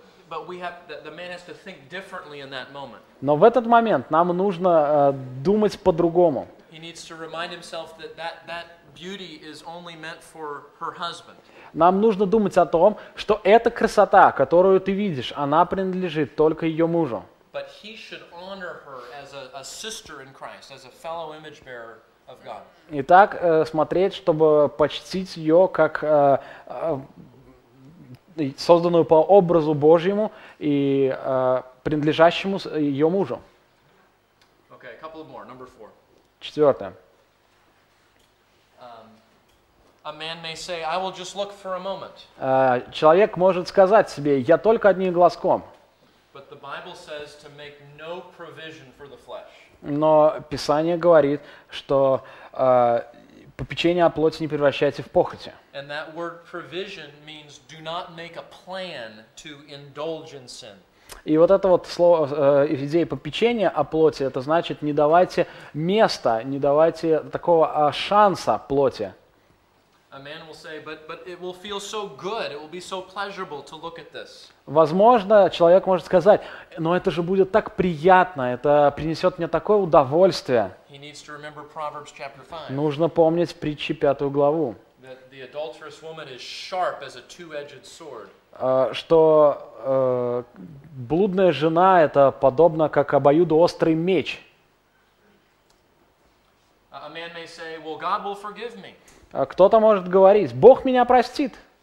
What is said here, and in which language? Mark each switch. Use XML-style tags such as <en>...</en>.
<en>But we have the man has to think differently in that moment.</en> <ru>Но в этот момент нам нужно думать по-другому.</ru> <en>He needs to remind himself that beauty is only meant for her husband.</en> <ru>Нам нужно думать о том, что эта красота, которую ты видишь, она принадлежит только ее мужу.</ru> <en>But he should honor her as a sister in Christ, as a fellow image bearer of God.</en> <ru>Итак, смотреть, чтобы почтить ее как созданную по образу Божьему и принадлежащему ее мужу.</ru> <en>Okay, a couple of more. Number four.</en> <ru>Четвертое.</ru> <en>A man may say, "I will just look for a moment."</en> <ru>Человек может сказать себе, я только одним глазком.</ru> <en>But the Bible says to make no provision for the flesh.</en> <ru>Но Писание говорит, что попечение о плоти не превращайте в похоти.</ru> <en>And that word provision means do not make a plan to indulge in sin.</en> <ru>И вот это вот слово, идея попечения о плоти, это значит не давайте места, не давайте такого шанса плоти.</ru> <en>A man will say, but it will feel so good, it will be so pleasurable to look at this.</en> <ru>Возможно, человек может сказать, но это же будет так приятно, это принесет мне такое удовольствие.</ru> <en>He needs to remember Proverbs chapter 5.</en> <ru>Нужно помнить притчи 5 главу.</ru> <en>That the adulterous woman is sharp as a two-edged sword.</en> <ru>Что блудная жена – это подобно как обоюдоострый меч.</ru> <en>A man may say, well, God will forgive me.</en> <ru>Кто-то может говорить, Бог меня простит.</ru>